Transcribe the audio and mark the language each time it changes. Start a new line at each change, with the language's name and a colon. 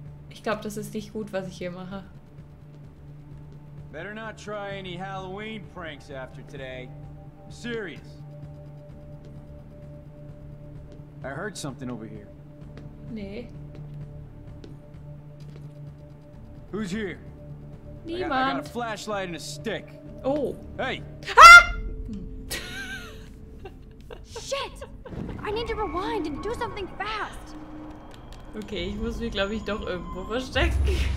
German: Ich glaube, das ist nicht gut, was ich hier mache.
English: Better not try any Halloween pranks after today. I'm serious. I heard something over here.
German: Nee.
English: Who's here?
German: Niemand.
English: I got a flashlight and a stick. Oh. Hey. Ah! Shit! I need to rewind and do something fast.
German: Okay, ich muss mich, glaube ich, doch irgendwo verstecken.